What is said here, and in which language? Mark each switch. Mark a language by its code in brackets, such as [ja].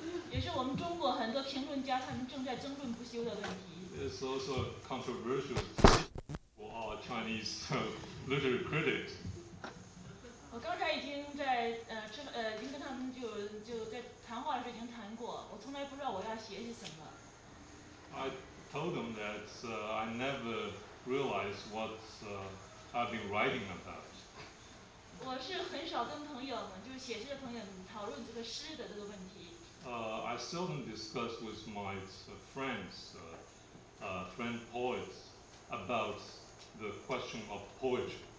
[zh] 也是我们中国很多评论家他们正在争论不休的问题。 [en] It's also controversial for our Chinese literary critics. [zh] 我刚才已经跟他们就在谈话时已经谈过，我从来不知道我要写些什么。 [en] I told them that I never realized what I've been writing about. [zh] 我是很少跟朋友们，就是写诗的朋友讨论这个诗的这个问题。 [en] I seldom discuss with my friends, friend poets, about the question of poetry.